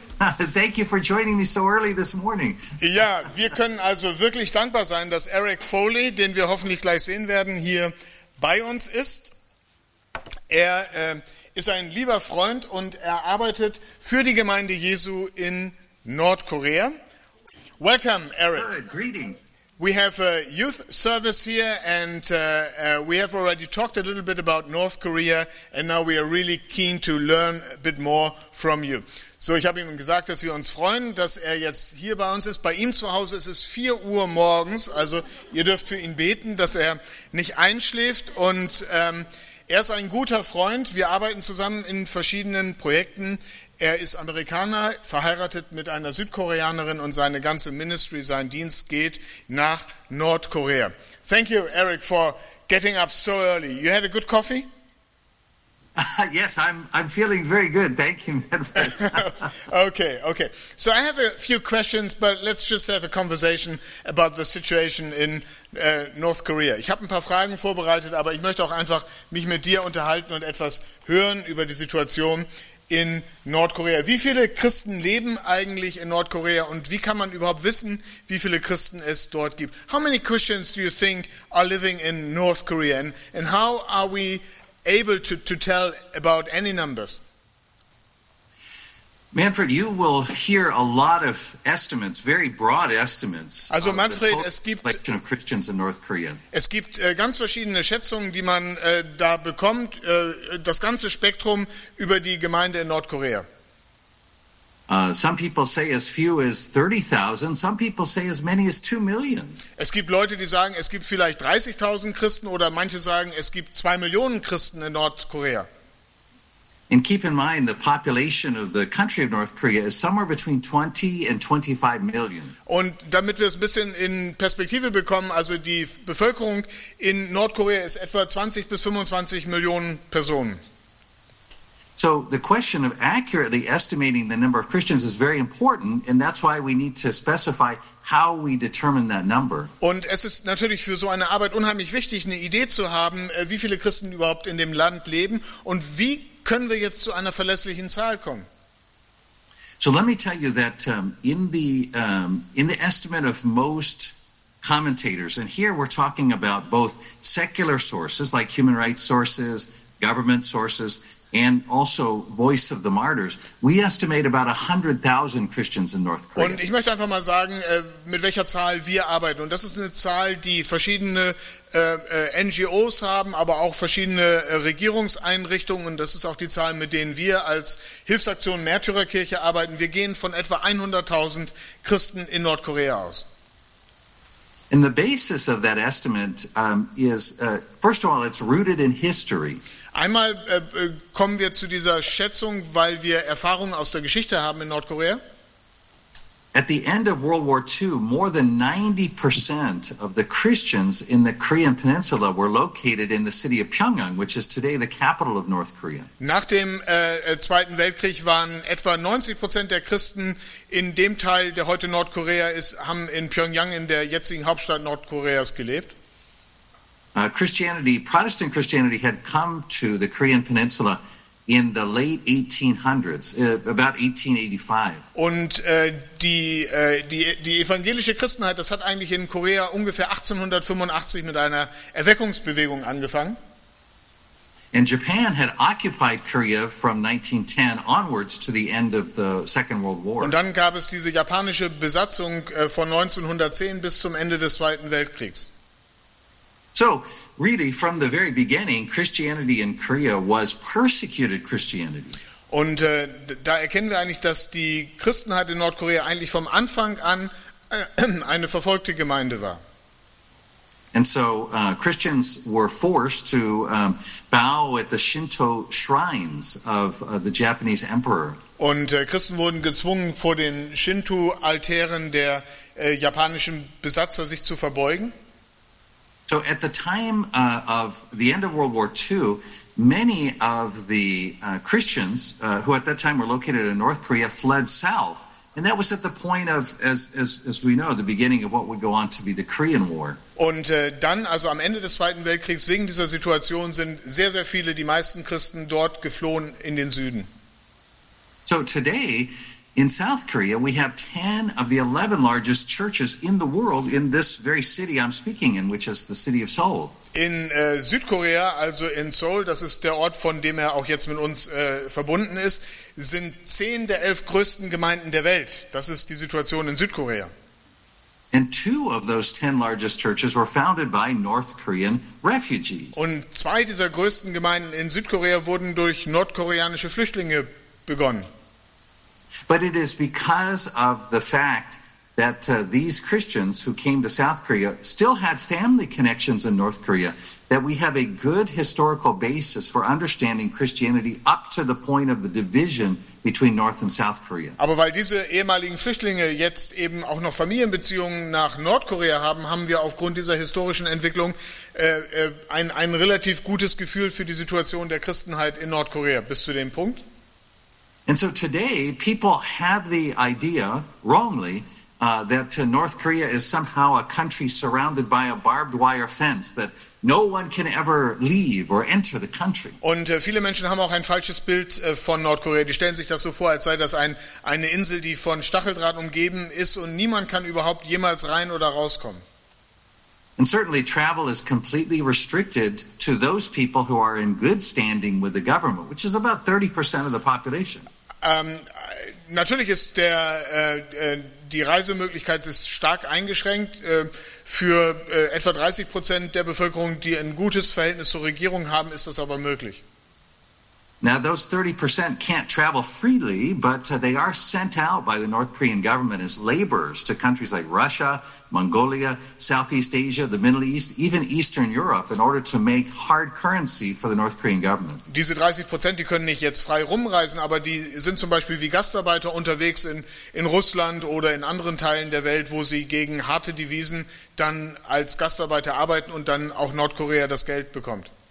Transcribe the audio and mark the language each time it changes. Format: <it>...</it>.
<en>Thank you for joining me so early this morning.</en> <de>Ja, wir können also wirklich dankbar sein, dass Eric Foley, den wir hoffentlich gleich sehen werden, hier bei uns ist. Er ist ein lieber Freund und er arbeitet für die Gemeinde Jesu in Nordkorea.</de> <en>Welcome, Eric. Greetings. We have a youth service here and we have already talked a little bit about North Korea and now we are really keen to learn a bit more from you.</en> <de>So, ich habe ihm gesagt, dass wir uns freuen, dass er jetzt hier bei uns ist. Bei ihm zu Hause ist es 4 Uhr morgens, also ihr dürft für ihn beten, dass er nicht einschläft und er ist ein guter Freund. Wir arbeiten zusammen in verschiedenen Projekten. Er ist Amerikaner, verheiratet mit einer Südkoreanerin und seine ganze Ministry, sein Dienst geht nach Nordkorea.</de> <en>Thank you, Eric, for getting up so early. You had a good coffee? Yes, I'm feeling very good. Thank you, Manfred. Okay. So I have a few questions, but let's just have a conversation about the situation in North Korea.</en> <de>Ich habe ein paar Fragen vorbereitet, aber ich möchte auch einfach mich mit dir unterhalten und etwas hören über die Situation in Nordkorea. Wie viele Christen leben eigentlich in Nordkorea und wie kann man überhaupt wissen, wie viele Christen es dort gibt?</de> <en>How many Christians do you think are living in North Korea and how are we able to tell about any numbers? Manfred, you will hear a lot of estimates, very broad estimates.</en> <de>Also Manfred, es gibt</de> <en>Christians in North Korea.</en> <de>Es gibt ganz verschiedene Schätzungen, die man da bekommt, das ganze Spektrum über die Gemeinde in Nordkorea.</de> <en>Some people say as few as 30,000, some people say as many as 2 million.</en> <de>Es gibt Leute, die sagen, es gibt vielleicht 30.000 Christen oder manche sagen, es gibt 2 Millionen Christen in Nordkorea.</de> <en>And keep in mind, the population of the country of North Korea is somewhere between 20 and 25 million.</en> <de>Und damit wir es ein bisschen in Perspektive bekommen, also die Bevölkerung in Nordkorea ist etwa 20 bis 25 Millionen Personen.</de> <en>So the question of accurately estimating the number of Christians is very important, and that's why we need to specify how we determine that number.</en> <de>Und es ist natürlich für so eine Arbeit unheimlich wichtig, eine Idee zu haben, wie viele Christen überhaupt in dem Land leben und wie können wir jetzt zu einer verlässlichen Zahl kommen?</de> <en>So let me tell you that in the estimate of most commentators, and here we're talking about both secular sources like human rights sources, government sources, and also Voice of the Martyrs, we estimate about 100,000 Christians in North Korea.</en> <de>Und ich möchte einfach mal sagen, mit welcher Zahl wir arbeiten. Und das ist eine Zahl, die verschiedene NGOs haben, aber auch verschiedene Regierungseinrichtungen. Und das ist auch die Zahl, mit denen wir als Hilfsaktion Märtyrerkirche arbeiten. Wir gehen von etwa 100.000 Christen in Nordkorea aus.</de> <en>And the basis of that estimate first of all, it's rooted in history.</en> <de>Einmal kommen wir zu dieser Schätzung, weil wir Erfahrungen aus der Geschichte haben in Nordkorea.</de> <en>At the end of World War II, more than 90% of the Christians in the Korean Peninsula were located in the city of Pyongyang, which is today the capital of North Korea.</en> <de>Nach dem Zweiten Weltkrieg waren etwa 90% der Christen in dem Teil, der heute Nordkorea ist, haben in Pyongyang, in der jetzigen Hauptstadt Nordkoreas, gelebt.</de> <en>Christianity, Protestant Christianity had come to the Korean Peninsula in the late 1800s, about 1885.</en> <de>Und die evangelische Christenheit, das hat eigentlich in Korea ungefähr 1885 mit einer Erweckungsbewegung angefangen.</de> <en>And Japan had occupied Korea from 1910 onwards to the end of the Second World War.</en> <de>Und dann gab es diese japanische Besatzung von 1910 bis zum Ende des Zweiten Weltkriegs.</de> <en>So, really, from the very beginning, Christianity in Korea was persecuted Christianity.</en> <de>Und da erkennen wir eigentlich, dass die Christenheit in Nordkorea eigentlich vom Anfang an eine verfolgte Gemeinde war.</de> <en>And so Christians were forced to bow at the Shinto shrines of the Japanese emperor.</en> <de>Und Christen wurden gezwungen, vor den Shinto-Altären der japanischen Besatzer sich zu verbeugen.</de> <en>So at the time of the end of World War II, many of the Christians who at that time were located in North Korea fled south. And that was at the point of, as we know, the beginning of what would go on to be the Korean War.</en> <de>Und dann, also am Ende des Zweiten Weltkriegs, wegen dieser Situation, sind sehr, sehr viele, die meisten Christen, dort geflohen in den Süden.</de> <en>So today, in South Korea, we have 10 of the 11 largest churches in the world in this very city I'm speaking in, which is the city of Seoul.</en> <de>In Südkorea, also in Seoul, das ist der Ort, von dem er auch jetzt mit uns verbunden ist, sind 10 der 11 größten Gemeinden der Welt. Das ist die Situation in Südkorea.</de> <en>And two of those 10 largest churches were founded by North Korean refugees.</en> <de>Und zwei dieser größten Gemeinden in Südkorea wurden durch nordkoreanische Flüchtlinge begonnen.</de> <en>But it is because of the fact that these Christians who came to South Korea still had family connections in North Korea that we have a good historical basis for understanding Christianity up to the point of the division between North and South Korea.</en> <de>Aber weil diese ehemaligen Flüchtlinge jetzt eben auch noch Familienbeziehungen nach Nordkorea haben, haben wir aufgrund dieser historischen Entwicklung ein relativ gutes Gefühl für die Situation der Christenheit in Nordkorea bis zu dem Punkt.</de> <en>And so today people have the idea wrongly that North Korea is somehow a country surrounded by a barbed wire fence that no one can ever leave or enter the country.</en> <de>Und viele Menschen haben auch ein falsches Bild von Nordkorea. Die stellen sich das so vor, als sei das eine Insel, die von Stacheldraht umgeben ist und niemand kann überhaupt jemals rein oder rauskommen.</de> <en>And certainly travel is completely restricted to those people who are in good standing with the government, which is about 30% of the population.</en> <de>Natürlich ist die Reisemöglichkeit ist stark eingeschränkt für etwa 30% der Bevölkerung, die ein gutes Verhältnis zur Regierung haben, ist das aber möglich.</de> <en>Now those 30% can't travel freely, but they are sent out by the North Korean government as laborers to countries like Russia, Mongolia, Southeast Asia, the Middle East, even Eastern Europe in order to make hard currency for the North Korean government.</en> <de>Diese 30%, die können nicht jetzt frei rumreisen, aber die sind zum Beispiel wie Gastarbeiter unterwegs in Russland oder in anderen Teilen der Welt, wo sie gegen harte Devisen dann als Gastarbeiter arbeiten und dann auch Nordkorea das Geld bekommt.</de>